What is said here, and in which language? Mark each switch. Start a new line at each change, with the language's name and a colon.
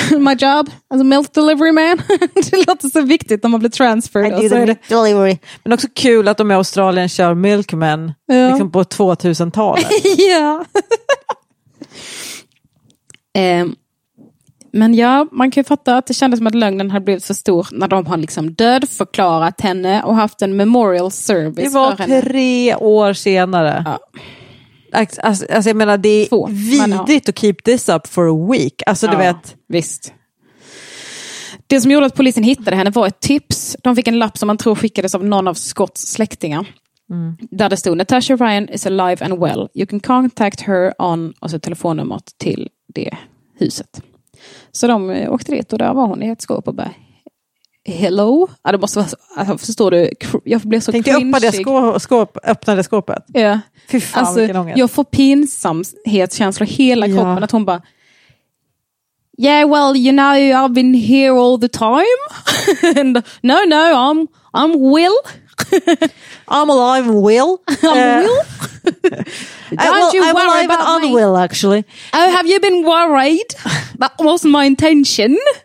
English: My job as a milk delivery man.
Swedish: Det låter så viktigt när man blir transferred.
English: I do the milk delivery.
Swedish: Men också kul att de i Australien kör milkman liksom på 2000-talet. Ja. Men ja, man kan ju fatta att det kändes som att lögnen hade blivit så stor när de har liksom död förklarat henne och haft en memorial service. Det var 3 år senare. Ja. Alltså jag menar, det är vidigt att
English: keep this up for a week.
Swedish: Alltså du vet. Visst. Det som gjorde att polisen hittade henne var ett tips. De fick en lapp som man tror skickades av någon av Scotts släktingar. Mm. Där det stod,
English: Natasha Ryan is alive and well. You can contact her on,
Swedish: och så telefonnumret till det huset. Så de åkte dit och där var hon i ett skåp och bara, hello? Ja, det måste vara, alltså, förstår du? Jag blev så cringe. Öppnade skåpet? Ja. Fy fan, alltså, vilken ångest. Jag får pinsamhetskänsla hela kroppen. Ja. Att hon bara,
English: yeah, well, you know, I've been here all the time. And, no, I'm Will. I'm alive and Will. I'm Will? I'm alive and unwill, actually. Oh, have you been worried? That wasn't my intention.